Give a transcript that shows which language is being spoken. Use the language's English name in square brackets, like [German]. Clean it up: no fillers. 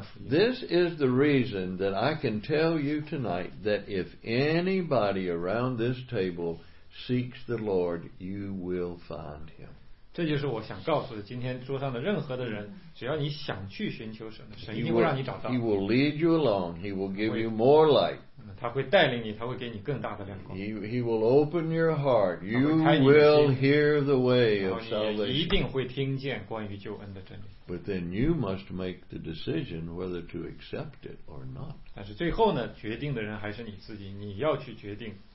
[English] This is the reason that I can tell you tonight that if anybody around this table seeks the Lord, you will find him. [Chinese] 这就是我想告诉的，今天桌上的任何的人，只要你想去寻求神，神一定会让你找到。 [English] He will lead you along. He will give you more light. [Chinese] 他会带领你，他会给你更大的亮光。 [English] He will open your heart. You will hear the way of salvation. [Chinese] 你一定会听见关于救恩的真理。 [English] But then you must make the decision whether to accept it or not. [Chinese] 但是最后呢，决定的人还是你自己，你要去决定。